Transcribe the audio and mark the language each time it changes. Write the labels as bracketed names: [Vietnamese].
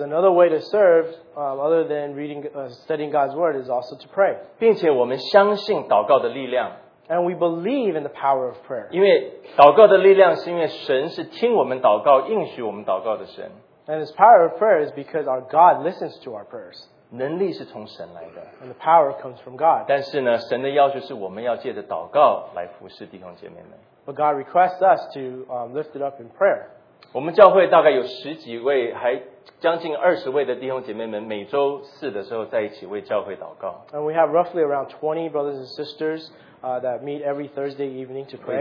[English] another way to serve, other than reading, studying God's word, is also to pray. [Chinese] 并且我们相信祷告的力量。 [English] And we believe in the power of prayer. [Chinese] 因为祷告的力量是因为神是听我们祷告、应许我们祷告的神。 [English] And His power of prayer is because our God listens to our prayers. [Chinese] 能力是从神来的。 [English] And the power comes from God. [Chinese] 但是呢，神的要求是我们要借着祷告来服事弟兄姐妹们。 [English] But God requests us to lift it up in prayer. [Chinese] 我们教会大概有十几位，还将近二十位的弟兄姐妹们，每周四的时候在一起为教会祷告。 [English] And we have roughly around 20 brothers and sisters that meet every Thursday evening to pray.